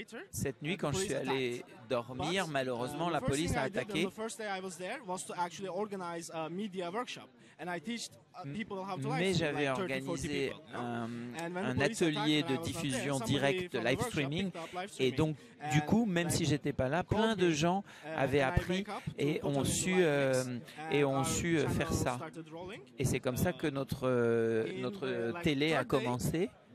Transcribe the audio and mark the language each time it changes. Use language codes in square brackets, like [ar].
[fr] Cette nuit, quand je suis allé dormir, malheureusement, la police a attaqué. [en] The first thing I did on the first day I was there was to actually organize a media workshop, and I teach people how to live stream. [fr] Mais j'avais organisé un atelier de diffusion directe live streaming, et donc du coup, même si j'étais pas là, plein de gens avaient appris et ont su faire ça. Et c'est comme ça que notre télé a commencé.